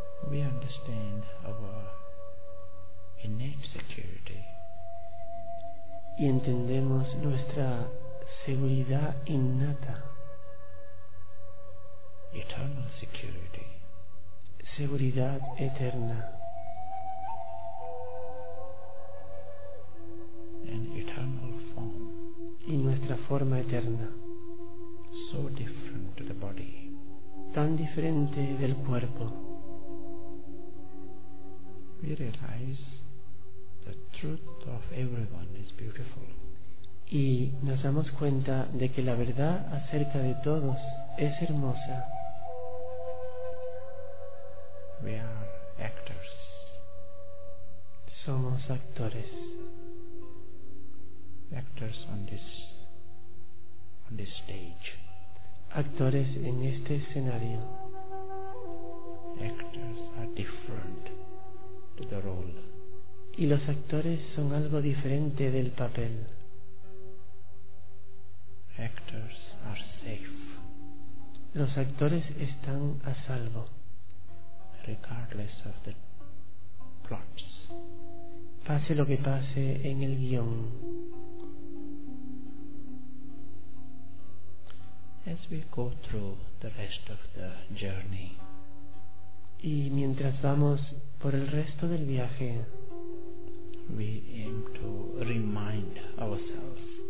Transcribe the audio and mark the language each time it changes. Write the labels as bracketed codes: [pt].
[en] We understand our innate security. [es] Y entendemos nuestra seguridad innata. [en] Eternal security. [es] Seguridad eterna. [en] And eternal form. [es] Y nuestra forma eterna. [en] So different to the body. [es] Tan diferente del cuerpo. [en] We realize the truth of everyone is beautiful. [es] Y nos damos cuenta de que la verdad acerca de todos es hermosa. [en] We are actors. [es] Somos actores. [en] Actors on this stage. [es] Actores en este escenario. [en] Actors are different to the role. [es] Y los actores son algo diferente del papel. [en] Actors are safe. [es] Los actores están a salvo. [en] Regardless of the plots. [es] Pase lo que pase en el guión. [en] As we go through the rest of the journey. [es] Y mientras vamos por el resto del viaje. [en] We aim to remind ourselves.